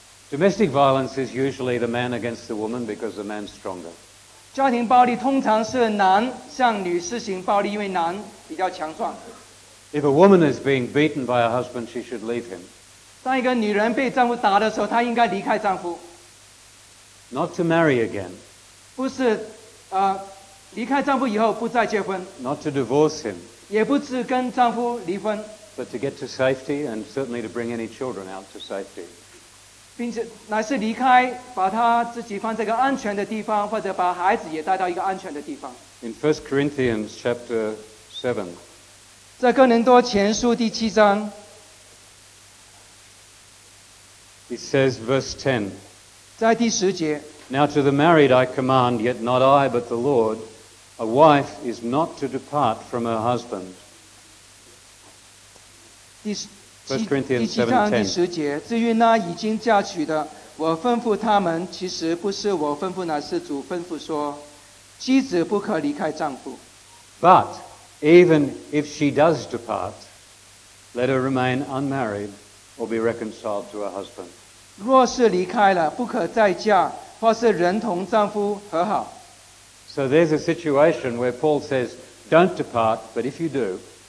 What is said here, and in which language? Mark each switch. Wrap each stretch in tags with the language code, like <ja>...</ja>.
<en>Domestic violence is usually the man against the woman because the man's stronger.</en> <zh>家庭暴力通常是男向女施行暴力, 因为男比较强壮。</zh> <en>If a woman is being beaten by her husband, she should leave him.</en> <zh>当一个女人被丈夫打的时候, 她应该离开丈夫。</zh> <en>Not to marry again.</en> <zh>不是, 离开丈夫以后不再结婚,</zh> <en>not to divorce him,</en> <zh>也不是跟丈夫离婚,</zh> <en>but to get to safety and certainly to bring any children out to safety.</en> <zh>并且乃是离开, 把他自己放在一个安全的地方, 或者把孩子也带到一个安全的地方。</zh> <en>In 1 Corinthians chapter 7,</en> <zh>在哥林多前书第七章,</zh> <en>it says verse 10,</en> <zh>在第十节,</zh> <en>Now to the married I command, yet not I, but the Lord, a wife is not to depart from her husband.</en> <zh>第七章第十节,至于那已经嫁娶的,我吩咐他们,其实不是我吩咐,乃是主吩咐说,妻子不可离开丈夫。</zh> <en>But even if she does depart, let her remain unmarried or be reconciled to her husband.</en> <zh>若是离开了,不可再嫁, 或是人同丈夫和好。</zh> <en>So there's a situation where Paul says, don't depart, but if you do,</en>